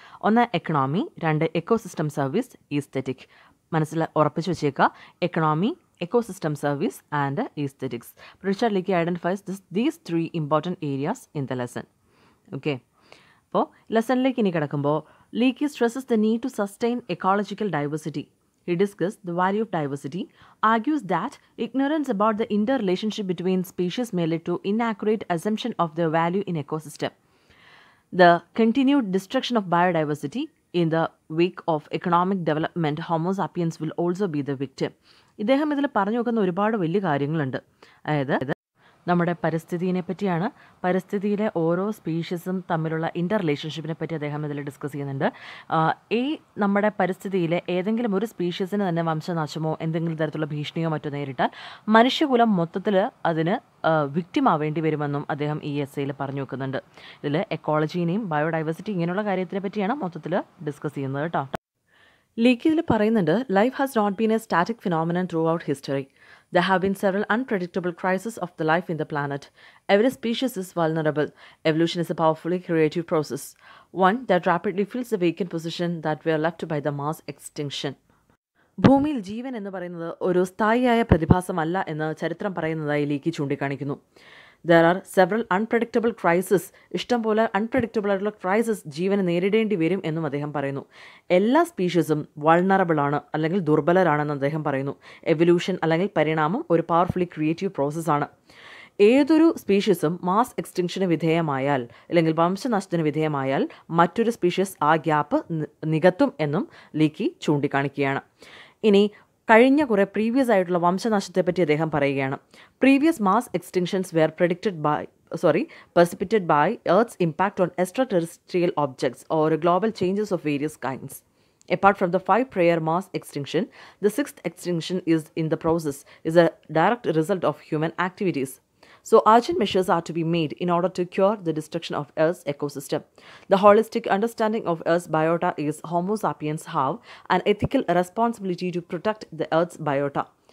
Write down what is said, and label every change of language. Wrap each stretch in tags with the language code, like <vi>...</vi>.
<ml>ഒന്ന് എക്കണോമി, രണ്ട് ecosystem service, aesthetic. മനസ്സിൽ ഉറപ്പിച്ച് വെച്ചേക്കുക, economy, ecosystem service and ഈസ്തെറ്റിക്സ്.</ml> <en>Richard Leakey identifies these three important areas in the lesson.</en> <ml>Okay, അപ്പോൾ ലെസണിലേക്ക് ഇനി കടക്കുമ്പോൾ</ml> <en>Leakey stresses the need to sustain ecological diversity. He discussed the value of diversity, argues that ignorance about the interrelationship between species may lead to inaccurate assumption of their value in ecosystem. The continued destruction of biodiversity in the wake of economic development, Homo sapiens will also be the victim.</en> <ml>ഇദ്ദേഹം ഇതിൽ പറഞ്ഞു വെക്കുന്ന ഒരുപാട് വലിയ കാര്യങ്ങളുണ്ട്. അതായത് നമ്മുടെ പരിസ്ഥിതിയെ പറ്റിയാണ്, പരിസ്ഥിതിയിലെ ഓരോ സ്പീഷീസും തമ്മിലുള്ള ഇൻ്റർ റിലേഷൻഷിപ്പിനെ പറ്റി അദ്ദേഹം ഇതിൽ ഡിസ്കസ് ചെയ്യുന്നുണ്ട്. ഈ നമ്മുടെ പരിസ്ഥിതിയിലെ ഏതെങ്കിലും ഒരു സ്പീഷീസിന് തന്നെ വംശനാശമോ എന്തെങ്കിലും തരത്തിലുള്ള ഭീഷണിയോ മറ്റോ നേരിട്ടാൽ മനുഷ്യകുലം മൊത്തത്തിൽ അതിന് വിക്റ്റിം ആവേണ്ടി വരുമെന്നും അദ്ദേഹം ഈ എസ്സേയിൽ പറഞ്ഞു വെക്കുന്നുണ്ട്. ഇതിൽ എക്കോളജീനെയും ബയോഡൈവേഴ്സിറ്റി ഇങ്ങനെയുള്ള കാര്യത്തിനെ പറ്റിയാണ് മൊത്തത്തിൽ ഡിസ്കസ് ചെയ്യുന്നത് കേട്ടോ. ലീക്കിയിൽ പറയുന്നുണ്ട്,</ml> <en>Life has not been a static phenomenon throughout history. There have been several unpredictable crises of the life in the planet. Every species is vulnerable. Evolution is a powerfully creative process, one that rapidly fills the vacant position that we are left by the mass extinction.</en> <ml>ഭൂമിയിൽ ജീവൻ എന്ന് പറയുന്നത് ഒരു സ്ഥായിയായ പ്രതിഭാസമല്ല എന്ന് ചരിത്രം പറയുന്നതായി leaky ചൂണ്ടിക്കാണിക്കുന്നു.</ml> <en>There are several unpredictable crises.</en> <ml>ഇഷ്ടം പോലെ അൺപ്രഡിക്റ്റബിൾ ആയിട്ടുള്ള ക്രൈസിസ് ജീവനെ നേരിടേണ്ടി വരും എന്നും അദ്ദേഹം പറയുന്നു. എല്ലാ സ്പീഷീസും വൾണറബിളാണ് അല്ലെങ്കിൽ ദുർബലരാണെന്ന് അദ്ദേഹം പറയുന്നു. എവല്യൂഷൻ അല്ലെങ്കിൽ പരിണാമം ഒരു പവർഫുള്ളി ക്രിയേറ്റീവ് പ്രോസസ്സാണ്. ഏതൊരു സ്പീഷീസും മാസ് എക്സ്റ്റിങ്ഷന് വിധേയമായാൽ അല്ലെങ്കിൽ വംശനാശത്തിന് വിധേയമായാൽ മറ്റൊരു സ്പീഷീസ് ആ ഗ്യാപ്പ് നികത്തും എന്നും ലീക്കി ചൂണ്ടിക്കാണിക്കുകയാണ്. ഇനി കഴിഞ്ഞ കുറേ പ്രീവിയസ് ആയിട്ടുള്ള വംശനാശത്തെപ്പറ്റി അദ്ദേഹം പറയുകയാണ്.</ml> <en>Previous mass extinctions were predicted by precipitated by earth's impact on extraterrestrial objects or global changes of various kinds. Apart from the five prior mass extinction, the sixth extinction is in the process, is a direct result of human activities. So urgent measures are to be made in order to cure the destruction of Earth's ecosystem. The holistic understanding of Earth's biota is Homo sapiens have an ethical responsibility to protect the Earth's biota.</en>